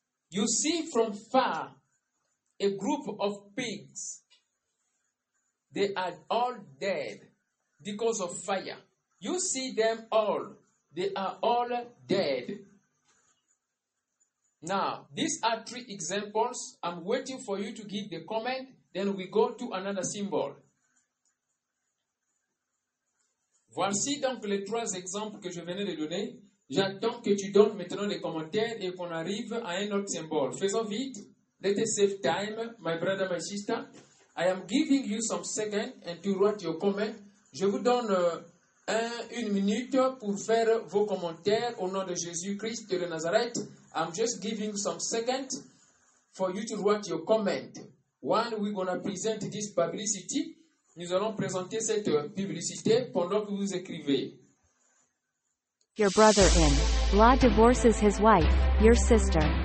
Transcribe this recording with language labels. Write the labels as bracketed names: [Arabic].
[English] You see from far a group of pigs, they are all dead because of fire. You see them all, they are all dead. Now, these are three examples. I'm waiting for you to give the comment, then we go to another symbol. [French] Voici donc les trois exemples que je venais de donner. J'attends que tu donnes maintenant les commentaires et qu'on arrive à un autre symbole. Faisons vite. [English] Let us save time, my brother, my sister. I am giving you some seconds and to write your comments. [French] Je vous donne une minute pour faire vos commentaires au nom de Jésus-Christ de Nazareth. [English] I'm just giving some seconds for you to write your comments. While we're going to present this publicity, [French] nous allons présenter cette publicité pendant que vous écrivez. [English] Your brother-in-law divorces his wife, your sister.